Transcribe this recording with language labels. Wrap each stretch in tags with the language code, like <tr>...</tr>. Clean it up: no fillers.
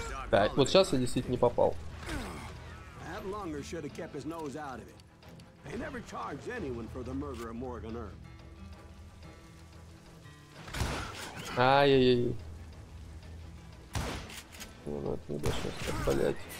<ru>Да, вот сейчас я действительно не попал.</ru> <en>Longer should have kept his nose out of it. They never charged anyone for the murder of Morgan Earp.</en> <ru>Ай-яй-яй. Ну, это не дашь сейчас так болеть.</ru>